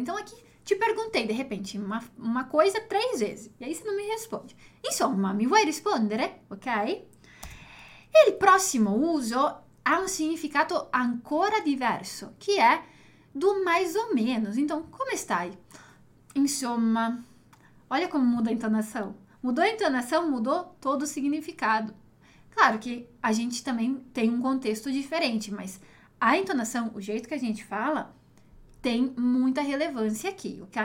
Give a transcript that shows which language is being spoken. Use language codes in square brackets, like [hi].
[pt] Então aqui te perguntei de repente uma coisa três vezes, e aí você não me responde. [it] Insomma, mi vuoi rispondere? Ok? E il prossimo uso ha un significato ancora diverso, che è [pt] do mais ou menos. [it] Então, come stai? [pt] Insomma, olha como muda a entonação. Mudou a entonação, mudou todo o significado. Claro que a gente também tem um contexto diferente, mas a entonação, o jeito que a gente fala, tem muita relevância aqui, ok?